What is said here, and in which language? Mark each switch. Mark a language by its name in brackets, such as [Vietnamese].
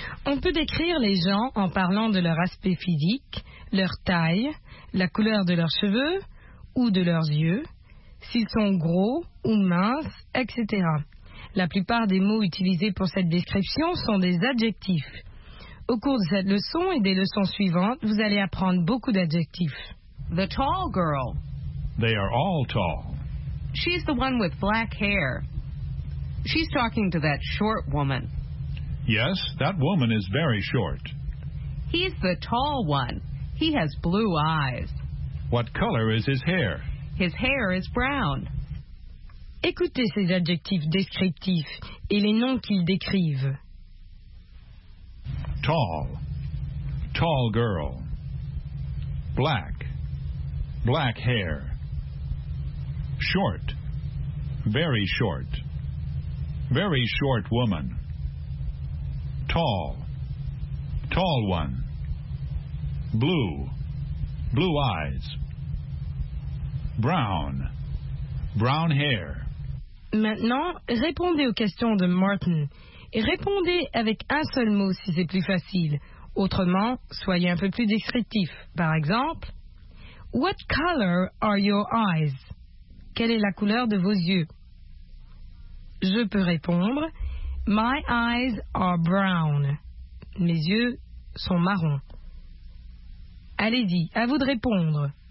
[French] On peut décrire les gens en parlant de leur aspect physique, leur taille, la couleur de leurs cheveux ou de leurs yeux, s'ils sont gros ou minces, etc. La plupart des mots utilisés pour cette description sont des adjectifs. Au cours de cette leçon et des leçons suivantes, vous allez apprendre beaucoup d'adjectifs. [English] The tall girl. They are all tall. She's the one with black hair. She's talking to that short woman. Yes, that woman is very short. He's the tall one. He has blue eyes. What color is his hair? His hair is brown. [French] Écoutez ces adjectifs descriptifs et les noms qu'ils décrivent. [English] Tall. Tall girl. Black. Black hair. Short. Very short. Very short woman. Tall. Tall one. Blue. Blue eyes. Brown. Brown hair. [French] Maintenant, répondez aux questions de Martin. Et répondez avec un seul mot si c'est plus facile. Autrement, soyez un peu plus descriptif. Par exemple, [English] What color are your eyes? [French] Quelle est la couleur de vos yeux? Je peux répondre, [English] My eyes are brown. [French] Mes yeux sont marrons. Allez-y, à vous de répondre.